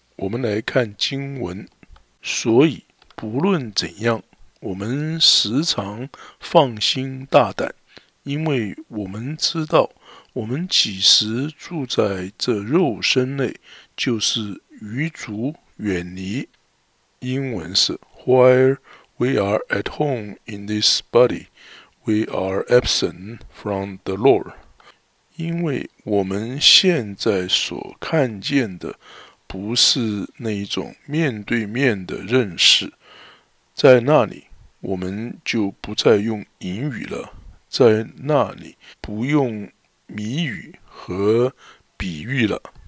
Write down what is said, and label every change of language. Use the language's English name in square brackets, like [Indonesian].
[Chinese] 我们来看经文，所以不论怎样，我们时常放心大胆，因为我们知道我们几时住在这肉身内，就是与主远离。英文是 [English] While we are at home in this body, we are absent from the Lord。 [Chinese] 因为我们现在所看见的不是那一种面对面的认识，在那里我们就不再用淫语了，在那里不用谜语和比喻了。